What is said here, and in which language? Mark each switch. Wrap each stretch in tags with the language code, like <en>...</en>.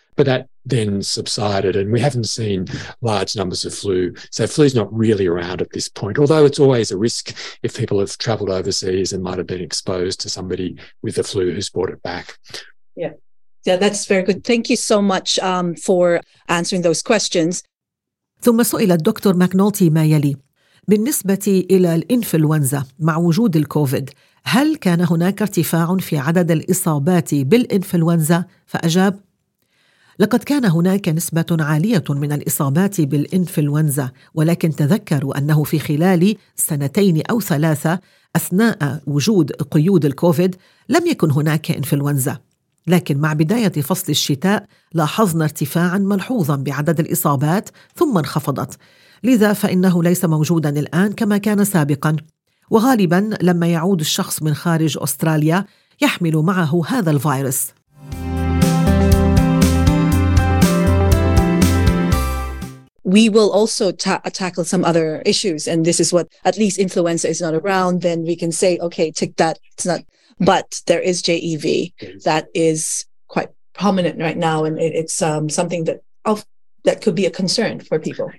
<en>But that then subsided, and we haven't seen large numbers of flu. So flu's not really around at this point, although it's always a risk if people have travelled overseas and might have been exposed to somebody with the flu who's brought it back. Yeah, that's very good. Thank you so much for answering those questions.</en> <ar>ثم سئل الدكتور ماكنولتي ما يلي: بالنسبة إلى الإنفلونزا مع وجود الكوفيد، هل كان هناك ارتفاع في عدد الإصابات بالإنفلونزا؟ فأجاب: لقد كان هناك نسبة عالية من الإصابات بالإنفلونزا، ولكن تذكروا أنه في خلال 2 أو 3 أثناء وجود قيود الكوفيد لم يكن هناك إنفلونزا، لكن مع بداية فصل الشتاء لاحظنا ارتفاعا ملحوظا بعدد الإصابات ثم انخفضت، لذا فإنه ليس موجودا الآن كما كان سابقا، وغالبا لما يعود الشخص من خارج أستراليا يحمل معه هذا الفيروس.</ar> <en>We will also tackle some other issues, and this is what, at least influenza is not around, then we can say, okay, tick that, it's not, but there is JEV that is quite prominent right now, and it's something that could be a concern for people.</en>